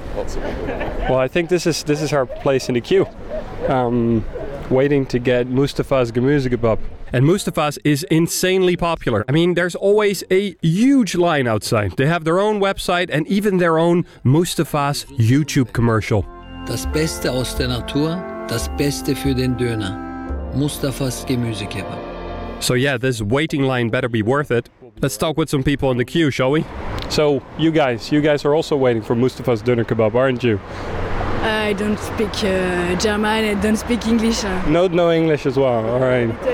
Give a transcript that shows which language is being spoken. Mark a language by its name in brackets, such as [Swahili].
[English] Well, I think this is our place in the queue. Waiting to get Mustafa's Gemüse Kebab. And Mustafa's is insanely popular. I mean, there's always a huge line outside. They have their own website and even their own Mustafa's YouTube commercial. [German] Das Beste aus der Natur, das Beste für den Döner. Mustafa's Gemüse Kebab. [English] So yeah, this waiting line better be worth it. Let's talk with some people in the queue, shall we? So you guys are also waiting for Mustafa's Döner Kebab, aren't you? I don't speak German, I don't speak English. No English as well, all right.